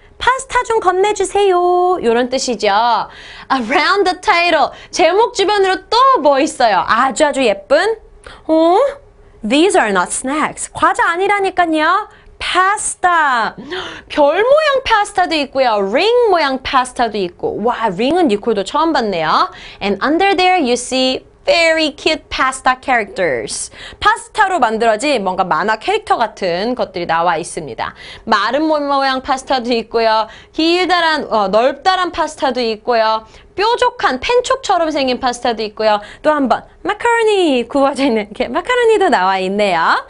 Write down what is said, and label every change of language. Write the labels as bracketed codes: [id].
[ko] 파스타 좀 건네주세요. 이런 뜻이죠. [en] Around the title. [ko] 제목 주변으로 또 뭐 있어요? 아주 아주 예쁜? 어? [en] These are not snacks. [ko] 과자 아니라니까요. Pasta. 별 모양 파스타도 있고요. Ring 모양 파스타도 있고. 와, 링은 니콜도 처음 봤네요. [en] And under there you see very cute pasta characters. [ko] 파스타로 만들어진 뭔가 만화 캐릭터 같은 것들이 나와 있습니다. 마른 모양 파스타도 있고요. 길다란, 넓다란 파스타도 있고요. 뾰족한 펜촉처럼 생긴 파스타도 있고요. 또 한 번, 마카로니 구워져 있는 이렇게 마카로니도 나와 있네요.